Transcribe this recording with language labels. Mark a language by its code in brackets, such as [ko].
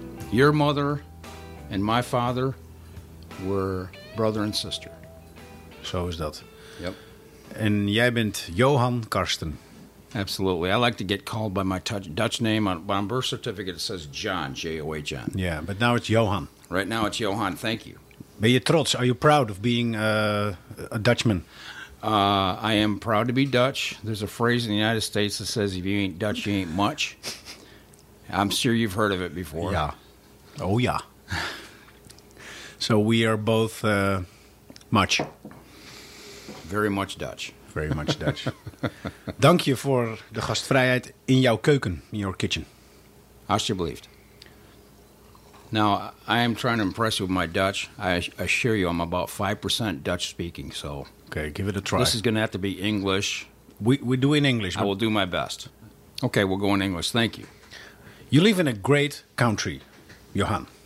[en] Your mother and my father were brother and sister. [nl] Zo is dat. [en] Yep. [nl] En jij bent Johan Karsten. [en] Absolutely. I like to get called by my Dutch name. On my birth certificate, it says John, J-O-H-N. Yeah, but now it's Johan. Right now it's Johan. Thank you. [nl] Ben je trots? [en] Are you proud of being a Dutchman? I am proud to be Dutch. There's a phrase in the United States that says, if you ain't Dutch, you ain't much. I'm sure you've heard of it before. Yeah. Oh, yeah. So we are both much. Very much Dutch. Very much Dutch. [nl] Dank je voor de gastvrijheid in jouw keuken, [en] in your kitchen. [nl] Alsjeblieft. [en] Now, I am trying to impress you with my Dutch. I assure you, I'm about 5% Dutch speaking, so... Okay, give it a try. This is going to have to be English. We do in English. I will do my best. Okay, we'll go in English. Thank you. You live in a great country, Johan.